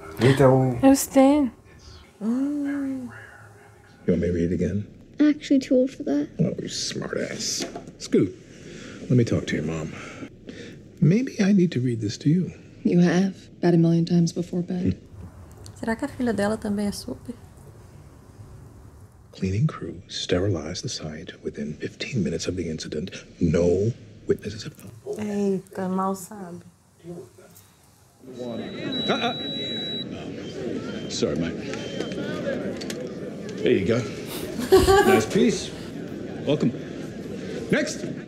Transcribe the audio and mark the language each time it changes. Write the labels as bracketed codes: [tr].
[pt] Então. Eu Stan. [en] You want me to read again? Actually, too old for that. Oh, you smart ass. Scoot, let me talk to your mom. Maybe I need to read this to you. You have, about a million times before bed. Hmm. [pt] Será que a filha dela também é super? [en] Cleaning crew sterilized the site within 15 minutes of the incident. No witnesses have found. [pt] Eita, mal sabe. [en] Sorry, mate. There you go. Nice piece. Welcome. Next!